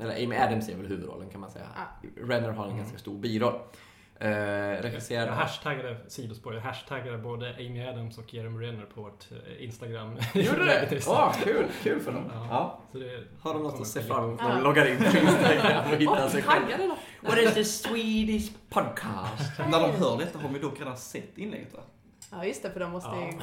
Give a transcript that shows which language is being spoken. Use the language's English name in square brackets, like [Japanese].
[Swedish] Eller Amy Adams är väl huvudrollen, kan man säga. Renner har en ganska stor biroll. Regisserad. Jag hashtaggade sidospår. Jag hashtaggade både Amy Adams och Jeremy Renner på vårt Instagram. Gjorde det? kul för dem. Ja. Så det har de något att se fram när de loggar in på Instagram och hittar sig själv. [English] What is the Swedish podcast? [Swedish] När de hör detta har vi dock redan sett inlägget, va? Ja, just det, för de måste ju